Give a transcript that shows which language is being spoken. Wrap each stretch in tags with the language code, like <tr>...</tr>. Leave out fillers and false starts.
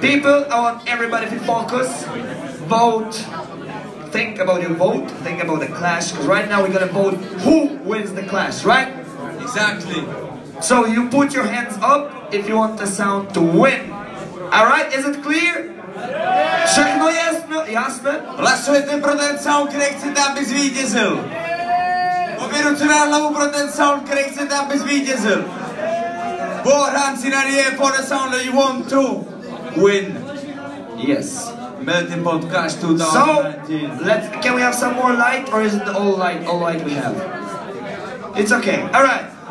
<en>People, I want everybody to focus, vote. Think about your vote, think about the clash, because right now we're gonna vote who wins the clash, right? Exactly. So you put your hands up if you want the sound to win. Alright, is it clear?</en> <cs>Všechno jasno? Jasno? Hlasujete pro ten sound, který chcete, aby zvítězil. Obě ruce na hlavu pro ten sound, který chcete, aby zvítězil.</cs> <en>Both hands in the air for the sound that you want to win. Yes. Melting Pot Clash 2019. So, can we have some more light or is it all light we have? It's okay. Alright.</en>